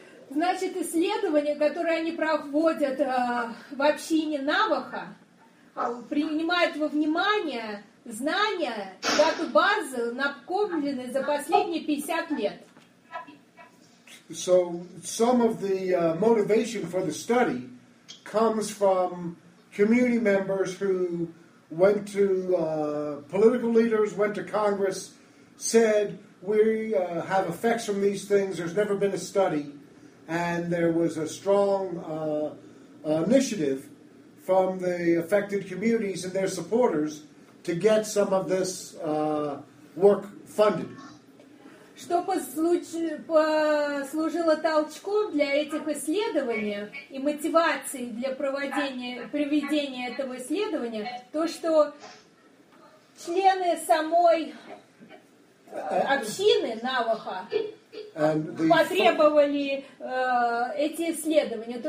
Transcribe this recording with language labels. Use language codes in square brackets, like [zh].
[ru] Значит, исследования, которые они проводят в общине Навахо, принимают во внимание знания, дату базы, накопленные за последние 50 лет. [en] So, some of the motivation for the study comes from community members who went to political leaders, went to Congress, said, we have effects from these things, there's never been a study, and there was a strong initiative from the affected communities and their supporters to get some of this work funded. [ru] Что послужило толчком для этих исследований и мотивацией для проведения этого исследования, то, что члены самой общины Наваха потребовали эти исследования.